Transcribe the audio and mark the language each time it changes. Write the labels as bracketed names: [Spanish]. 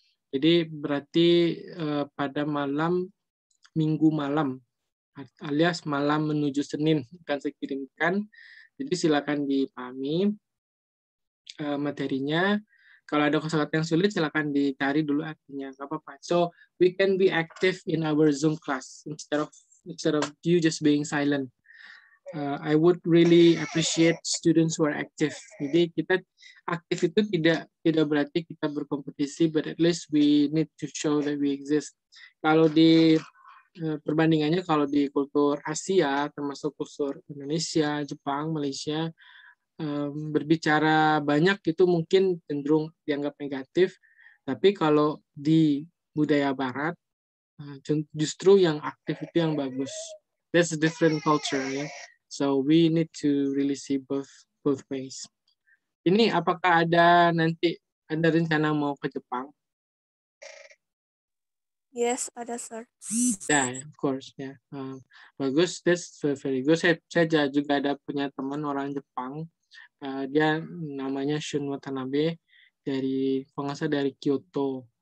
[Indonesian] Jadi berarti pada malam, minggu malam, alias malam menuju Senin akan saya kirimkan, jadi silakan dipahami materinya. Kalau ada kosakata yang sulit, silakan dicari dulu artinya. Gak apa-apa. [English] So, we can be active in our Zoom class instead of you just being silent. I would really appreciate students who are active. [Indonesian] Jadi kita aktif itu tidak berarti kita berkompetisi, [English] but at least we need to show that we exist. [Indonesian] Kalau di perbandingannya, kalau di kultur Asia, termasuk kultur Indonesia, Jepang, Malaysia, berbicara banyak itu mungkin cenderung dianggap negatif, tapi kalau di budaya Barat, justru yang aktif itu yang bagus. [English] That's a different culture, ya. So we need to really see both ways. [Indonesian] Ini apakah ada nanti ada rencana mau ke Jepang? Yes, ada, Sir. [English] Yeah, of course, ya. Yeah. Bagus, that's very good. [Indonesian] Saya juga ada punya teman orang Jepang. Dia namanya Shun Watanabe, dari pengasuh dari Kyoto.